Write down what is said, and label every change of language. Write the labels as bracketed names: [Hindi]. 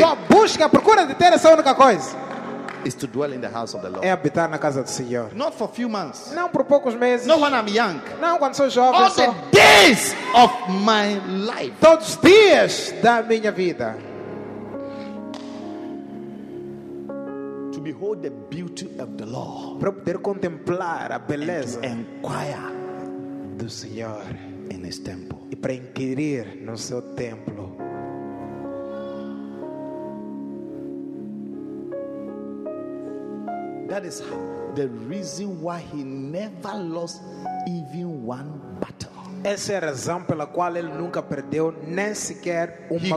[Portuguese] Só busca, procura de ter essa única coisa. [English] Is to dwell in the house of the Lord. [Portuguese] É habitar na casa do Senhor. [English] Not for few months. [Portuguese] Não por poucos meses. [English] Not when I'm young. [Portuguese] Não quando sou jovem. [English] All the days of my life. [Portuguese] Todos os dias da minha vida. [English] To behold the beauty of the Lord. [Portuguese] Para poder contemplar a beleza. [English] And inquire [Portuguese] do Senhor [English] in His temple. [Portuguese] E para inquirir no seu templo. [English] That is the reason why he never lost even one battle. [Portuguese] Essa é a razão pela qual ele nunca perdeu nem sequer uma